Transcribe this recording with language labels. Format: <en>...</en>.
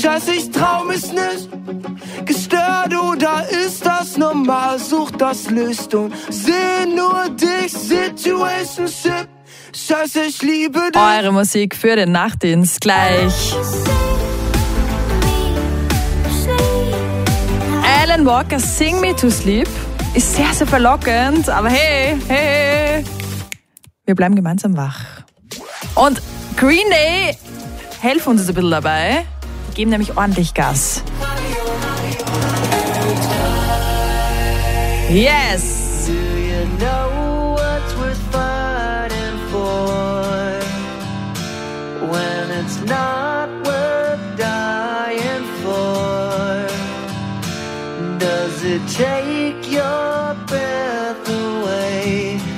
<de>Scheiße, ich trau mich nicht. Gestört oder ist das normal? Such das Licht und seh nur dich. Situationship. Scheiße, ich liebe dich. Eure Musik für den Nachtdienst gleich. Alan Walker, Sing Me to Sleep. Ist sehr, sehr verlockend, aber hey, hey, hey. Wir bleiben gemeinsam wach. Und Green Day, helf uns jetzt ein bisschen dabei. Die geben nämlich ordentlich Gas.</de> <en>Yes! Do you know what's worth fighting for? When it's not worth dying for? Does it take your breath away?</en>